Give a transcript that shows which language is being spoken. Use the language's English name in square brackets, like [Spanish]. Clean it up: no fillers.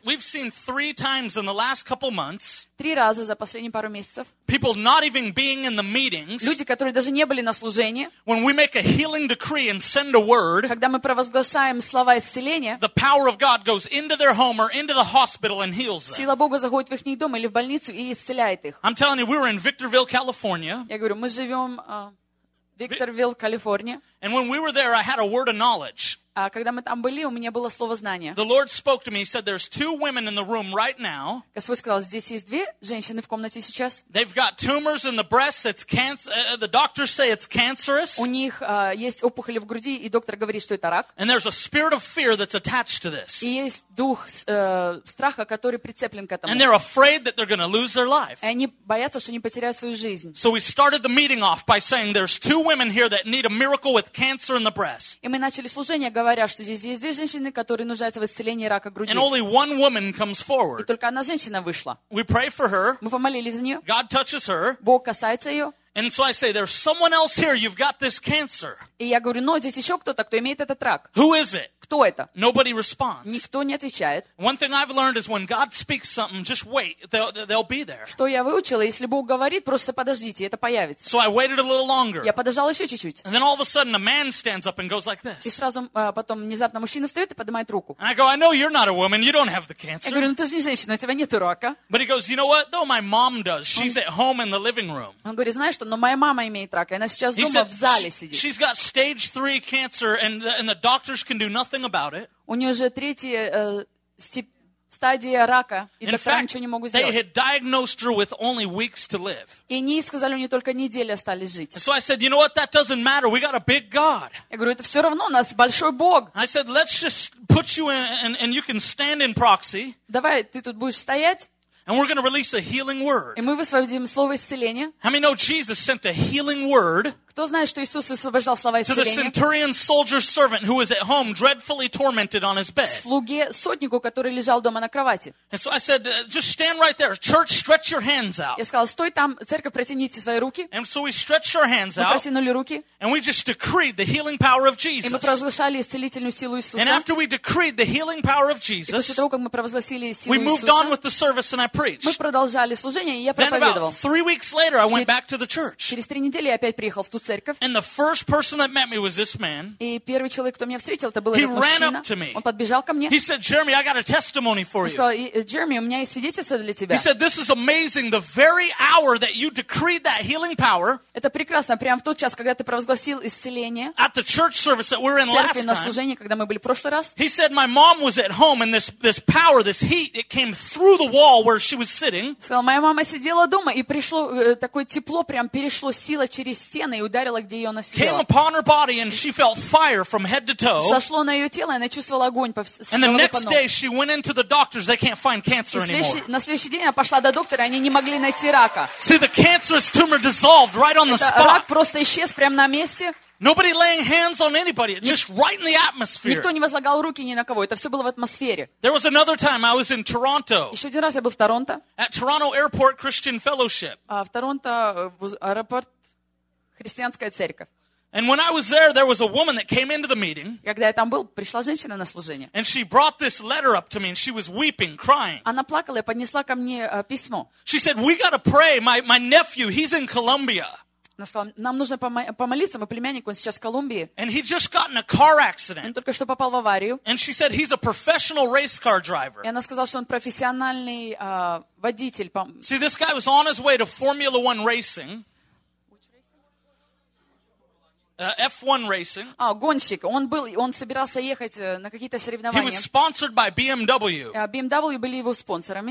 [English] We've seen 3 times in the last couple months. [Russian] 3 раза за последние пару месяцев. [English] People not even being in the meetings. [Russian] Люди, которые даже не были на служении. [English] When we make a healing decree and send a word. [Russian] Когда мы провозглашаем слова исцеления. [English] The power of God goes into their home or into the hospital and heals them. [Russian] Сила Бога заходит в их дом или в больницу и исцеляет их. [English] I'm telling you, we were in Victorville, California. [Russian] Я говорю, мы живем в Викторвилле, Калифорния. [English] And when we were there, I had a word of knowledge. [Russian] Когда мы там были, у меня было слово знания. [English] The Lord spoke to me. He said, "There's 2 women in the room right now." [Russian] Господь сказал, здесь есть 2 женщины в комнате сейчас. [English] They've got tumors in the breast. It's cancer. The doctors say it's cancerous. [Russian] У них есть опухоли в груди, и доктор говорит, что это рак. [English] And there's a spirit of fear that's attached to this. [Russian] И есть дух страха, который прицеплен к этому. [English] And they're afraid that they're going to lose their life. [Russian] И они боятся, что они потеряют свою жизнь. [English] So we started the meeting off by saying, "There's 2 women here that need a miracle with cancer in the breast." [Russian] И мы начали служение, говоря, что здесь есть 2 женщины, которые нуждаются в исцелении рака груди. [English] And only one woman comes forward. [Russian] И только одна женщина вышла. [English] We pray for her. [Russian] Мы помолились за нее. [English] God touches her. [Russian] Бог касается ее. [English] And so I say, there's someone else here, you've got this cancer. [Russian] И я говорю, но здесь еще кто-то, кто имеет этот рак. [English] Who is it? [Russian] Кто это? [English] Nobody responds. [Russian] Никто не отвечает. [English] One thing I've learned is when God speaks something, just wait, they'll be there. [Russian] Что я выучила, если Бог говорит, просто подождите, это появится. [English] So I waited a little longer. [Russian] Я подождал еще чуть-чуть. [English] And then all of a sudden a man stands up and goes like this. [Russian] И сразу потом внезапно мужчина встает и поднимает руку. [English] And I go, I know you're not a woman, you don't have the cancer. [Russian] Я говорю, ну ты же не женщина, у тебя нет рака. [English] But he goes, you know what? Though my mom does. She's at home in the living room. [Russian] Он говорит, знаешь что? что, но моя мама имеет рак, и она сейчас дома в зале сидит. [English] She's got stage 3 cancer, and the doctors can do nothing about it. [Russian] У нее уже третья стадия рака, и доктора ничего не могут сделать. [English] They had diagnosed her with only weeks to live. [Russian] И они сказали, у нее только недели остались жить. [English] So I said, you know what? That doesn't matter. We got a big God. [Russian] Я говорю, это все равно, у нас большой Бог. [English] I said, let's just put you in, and you can stand in proxy. [Russian] Давай, ты тут будешь стоять. [English] And we're going to release a healing word. [Russian] И мы высвободим слово исцеления. [English] How many know Jesus sent a healing word? [Russian] Кто знает, что Иисус высвобождал слова исцеления? [English] To the centurion soldier's servant who was at home dreadfully tormented on his bed. [Russian] Слуге сотнику, который лежал дома на кровати. [English] And so I said, just stand right there. Church, stretch your hands out. [Russian] Я сказал, стой там, церковь, протяните свои руки. [English] And so we stretched our hands out. [Russian] Мы протянули руки. [English] And we just decreed the healing power of Jesus. [Russian] И мы провозгласили исцелительную силу Иисуса. [English] And after we decreed the healing power of Jesus. [Russian] И после того, как мы провозгласили силу Иисуса. [English] We moved on with the service and I preached. [Russian] Мы продолжали служение, и я проповедовал. [English] Then about 3 weeks later, I went back to the church. [Russian] Через 3 недели я опять приехал в ту церковь. [English] And the first person that met me was this man. [Russian] И первый человек, кто меня встретил, это был [English] He [Russian] этот мужчина. [English] He ran up to me. [Russian] Он подбежал ко мне. [English] He said, "Jeremy, I got a testimony for you." [Russian] Сказал, Джереми, у меня есть свидетельство для тебя. [English] He said, "This is amazing. The very hour that you decreed that healing power." [Russian] Это прекрасно, прямо в тот час, когда ты провозгласил исцеление. [English] At the church service that we were in last time. [Russian] На служении, когда мы были в прошлый раз. [English] He said, "My mom was at home, and this power, this heat, it came through the wall where she was sitting." [Russian] Сказал, моя мама сидела дома, и пришло такое тепло, прям перешло сила через стены. Ударила, где ее носила. [English] Came upon her body and she felt fire from head to toe. [Russian] Сошло на ее тело, и она чувствовала огонь по всему телу. [English] And the next day she went into the doctors, they can't find cancer anymore. [Russian] На следующий день она пошла до доктора, они не могли найти рака. [English] See, the cancerous tumor dissolved right on the spot. [Russian] Рак просто исчез прямо на месте. [English] Nobody laying hands on anybody, just right in the atmosphere. [Russian] Никто не возлагал руки ни на кого. Это все было в атмосфере. [English] There was another time I was in Toronto. [Russian] Еще один раз я был в Торонто. [English] At Toronto Airport Christian Fellowship. [Russian] А в Торонто аэропорт. Христианская церковь. [English] And when I was there, there was a woman that came into the meeting. [Russian] Когда я там был, пришла женщина на служение. [English] And she brought this letter up to me, and she was weeping, crying. [Russian] Она плакала и поднесла ко мне письмо. [English] She said, "We gotta pray. My nephew, he's in Colombia." [Russian] Она сказала, нам нужно помолиться, мой племянник, он сейчас в Колумбии. [English] And he just got in a car accident. [Russian] Он только что попал в аварию. [English] And she said, "He's a professional race car driver." [Russian] И она сказала, что он профессиональный водитель. [English] See, this guy was on his way to Formula One racing. F1 racing. [Russian] А, гонщик. Он собирался ехать на какие-то соревнования. [English] He was sponsored by BMW. [Russian] BMW были его спонсорами.